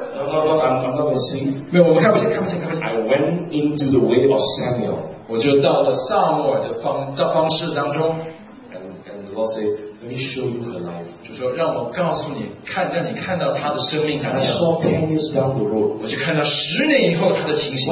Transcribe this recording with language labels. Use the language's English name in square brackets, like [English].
[English] No, I'm not going to see. I went into the way of Samuel. [Chinese] 我就到了撒母耳的方式当中。 [English] And the Lord said, let me show you her life. [Chinese] 就说让我告诉你，看，让你看到她的生命。 [English] And I saw 10 years down the road. [Chinese] 我就看到10年以后她的情形。